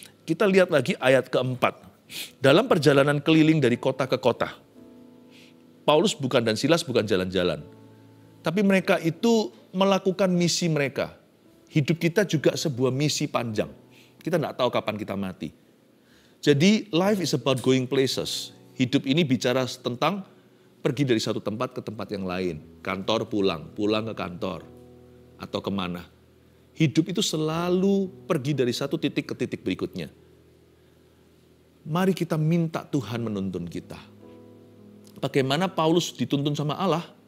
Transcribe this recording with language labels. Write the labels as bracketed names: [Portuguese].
[Indonesian] Kita lihat lagi ayat keempat. Dalam perjalanan keliling dari kota ke kota, Paulus bukan dan Silas bukan jalan-jalan. Tapi mereka itu melakukan misi mereka. Hidup kita juga sebuah misi panjang. Kita gak tahu kapan kita mati. [English] Jadi life is about going places. [Indonesian] Hidup ini bicara tentang pergi dari satu tempat ke tempat yang lain. Kantor pulang, pulang ke kantor. Atau kemana. Hidup itu selalu pergi dari satu titik ke titik berikutnya. Mari kita minta Tuhan menuntun kita. Bagaimana Paulus dituntun sama Allah?